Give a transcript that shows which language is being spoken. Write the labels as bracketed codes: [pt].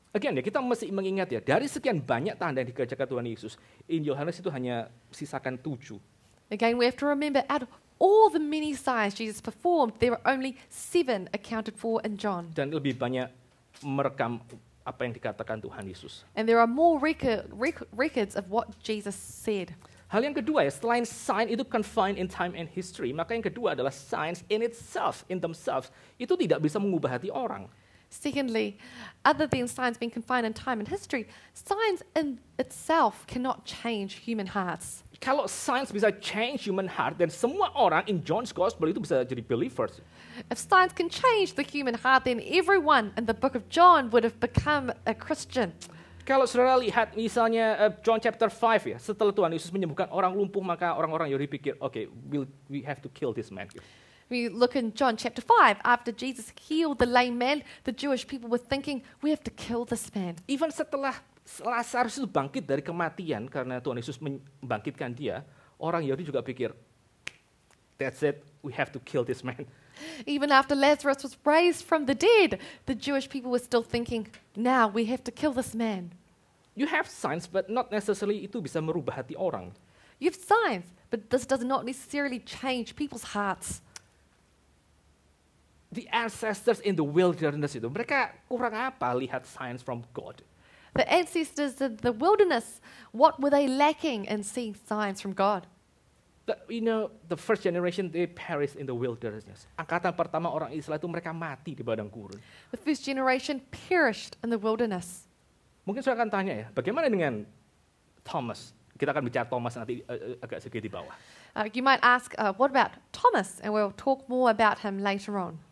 [id] Again, ya, kita mesti mengingat ya, dari sekian banyak tanda yang dikerjakan Tuhan Yesus, in Yohanes itu hanya sisakan 7. [en] Again, we have to remember, out of all the many signs Jesus performed, there were only 7 accounted for in John. [id] Dan lebih banyak merekam apa yang dikatakan Tuhan Yesus. [en] And there are more records of what Jesus said. [id] Hal yang kedua ya, selain sign itu [en] confined in time and history, [id] maka yang kedua adalah [en] signs in itself, in themselves, [id] itu tidak bisa mengubah hati orang. [en] Secondly, other than signs being confined in time and history, signs in itself cannot change human hearts. Kalau signs bisa change human heart, then [id] semua orang [en] in John's gospel itu bisa jadi believers. If signs can change the human heart, then everyone in the book of John would have become a Christian. [id] Kalau saudara lihat misalnya John chapter 5 ya, setelah Tuhan Yesus menyembuhkan orang lumpuh, maka orang-orang Yahudi pikir, [en] okay, we have to kill this man. We look in John chapter 5, after Jesus healed the lame man, the Jewish people were thinking, we have to kill this man. [id] Even setelah Lazarus itu bangkit dari kematian karena Tuhan Yesus membangkitkan dia, orang Yahudi juga pikir, [en] that's it, we have to kill this man. Even after Lazarus was raised from the dead, the Jewish people were still thinking, now we have to kill this man. You have signs, but not necessarily [id] itu bisa merubah hati orang. [en] You have signs, but this does not necessarily change people's hearts. The ancestors in the wilderness itu, [id] mereka kurang apa lihat [en] signs from God? The ancestors in the wilderness, what were they lacking in seeing signs from God? The first generation, they perished in the wilderness. [id] Angkatan pertama orang Israel itu mereka mati di padang gurun. [en] The first generation perished in the wilderness. [id] Mungkin saya akan tanya ya, bagaimana dengan Thomas? Kita akan bicara Thomas nanti agak sedikit di bawah. [en] You might ask, what about Thomas? And we'll talk more about him later on.